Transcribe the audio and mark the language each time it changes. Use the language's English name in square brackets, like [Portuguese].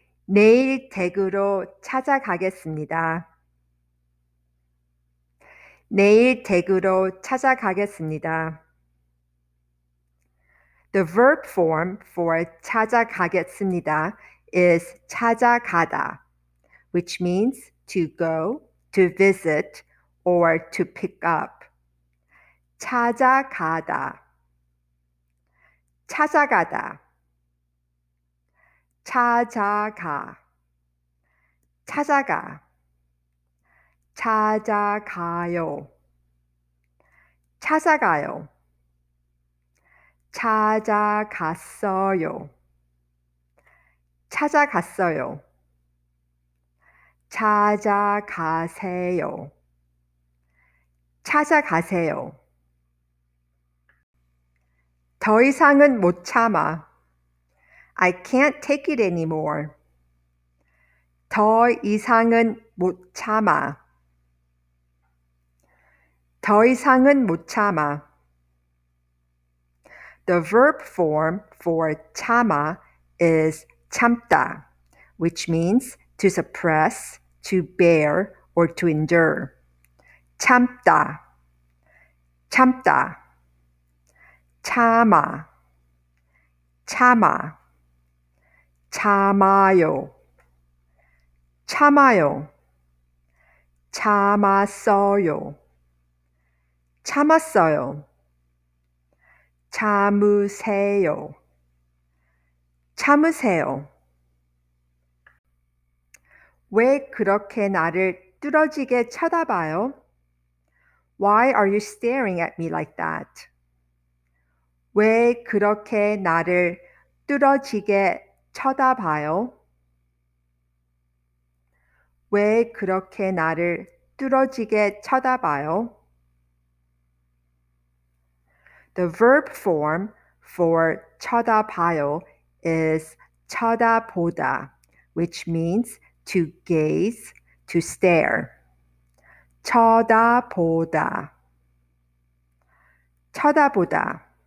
[Korean] 내일 댁으로 찾아가겠습니다. 내일 댁으로 찾아가겠습니다. [English] The verb form for 찾아가겠습니다 is 찾아가다, which means to go, to visit, or to pick up. [Korean] 찾아가다, 찾아가다, 찾아가, 찾아가, 찾아가요, 찾아가요, 찾아갔어요, 찾아갔어요, 찾아가세요, 찾아가세요. 더 이상은 못 참아. [English] I can't take it anymore. [Korean] 더 이상은 못 참아. 더 이상은 못 참아. [English] The verb form for 참아 is 참다, which means to suppress, to bear, or to endure. [Korean] 참다, 참다. 참아, 참아, 참아요, 참아요, 참았어요, 참았어요, 참으세요, 참으세요. 왜 그렇게 나를 뚫어지게 쳐다봐요? [English] Why are you staring at me like that? [Korean] 왜 그렇게 나를 뚫어지게 쳐다봐요? 왜 그렇게 나를 뚫어지게 쳐다봐요? [English] The verb form for 쳐다봐요 is 쳐다보다, which means to gaze, to stare. [Korean] 쳐다보다, 쳐다보다.